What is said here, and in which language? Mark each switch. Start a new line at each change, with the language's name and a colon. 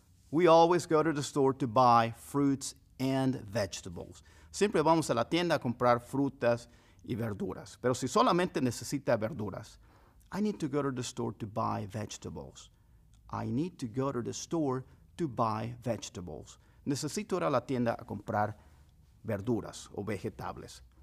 English: We always go to the store to buy fruits and vegetables.
Spanish: Siempre vamos a la tienda a comprar frutas y verduras. Pero si solamente necesita verduras,
English: I need to go to the store to buy vegetables. I need to go to the store to buy vegetables.
Spanish: Necesito ir a la tienda a comprar verduras o vegetables.